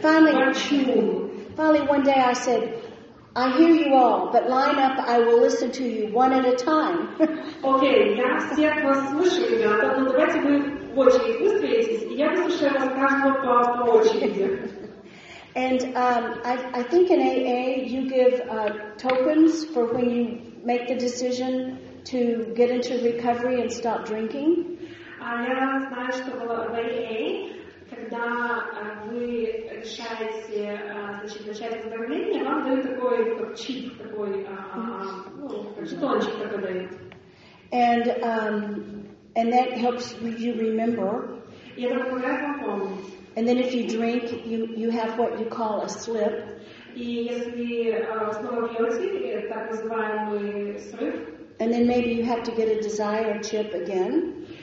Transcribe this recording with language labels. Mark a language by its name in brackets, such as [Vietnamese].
[English] Finally, one day I said, I hear you all, but line up, I will listen to you one at a time. [Ukrainian] Окей, я всіх вас слушаю, ребята, але давайте ви в очередь вистроїтесь, і я послушаю вас кожного по очереді. [English] And I think in AA you give tokens for when you make the decision to get into recovery and stop drinking. [Russian] А я знаю, що в AA, когда ви решаете, значит, начать оздоровление, вам дают такой как чип, такой, ну, жетончик, который дают. [English] And that helps you remember. [Russian] И это помогает вам помнить. [English] And then if you drink, you have what you call a slip. [Russian] И если снова пьете, так называемый срыв. [English] And then maybe you have to get a desire chip again.